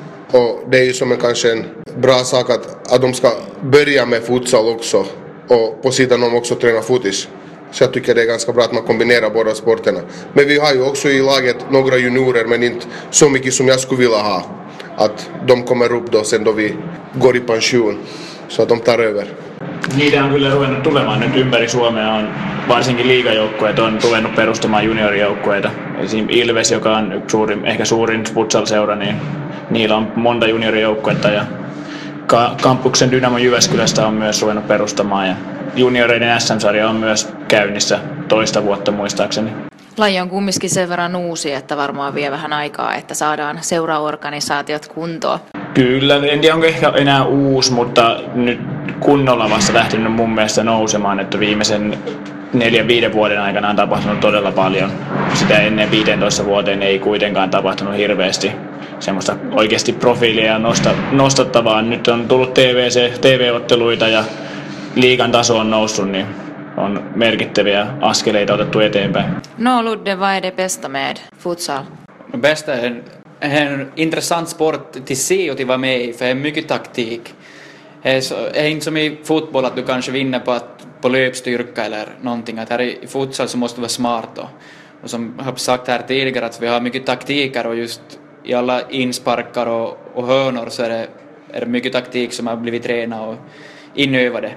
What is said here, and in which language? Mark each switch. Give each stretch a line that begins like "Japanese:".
Swedish: Och det är ju som en bra sak att de ska börja med futsal också. Och på sidan om också träna fotis. Så jag tycker det är ganska bra att man kombinerar båda sporterna. Men vi har ju också i laget några juniorer, men inte så mycket som jag skulle vilja ha. Att de kommer upp då sen då vi går i pension. Så att de tar över.
Finnish: Niitä on kyllä ruvennut tulemaan nyt ympäri Suomea, on varsinkin liigajoukkueet on ruvennut perustamaan juniorijoukkueita. Esimerkiksi Ilves, joka on ehkä suurin futsal-seura, niin niillä on monta juniorijoukkuetta. Ja kampuksen Dynamo Jyväskylästä on myös ruvennut perustamaan. Ja junioreiden SM-sarja on myös käynnissä toista vuotta muistaakseni. Laji on kumminkin sen verran uusi, että varmaan vie vähän aikaa, että saadaan seuraorganisaatiot kuntoon. Kyllä, en tiedä onko ehkä enää uusi, mutta nyt kunnolla vasta lähtenyt mun mielestä nousemaan, että viimeisen 4-5 vuoden aikana on tapahtunut todella paljon. Sitä ennen 15 vuoteen ei kuitenkaan tapahtunut hirveästi semmoista oikeasti profiilia nostattavaa. Nyt on tullut TV-otteluita ja liigan taso on noussut, niin on merkittäviä askeleita otettu eteenpäin.
Swedish: No Ludde, vad är det bästa med futsal? Bästa är en intressant sport till se och till vara med i, för det är mycket taktik. Det är inte som i fotboll att du kanske vinner på löpstyrka eller någonting. Att här i futsal så måste du vara smart. Och som jag har sagt här tidigare, att vi har mycket taktiker och just i alla insparkar och hörnor så är det mycket taktik som har blivit tränad och inövade.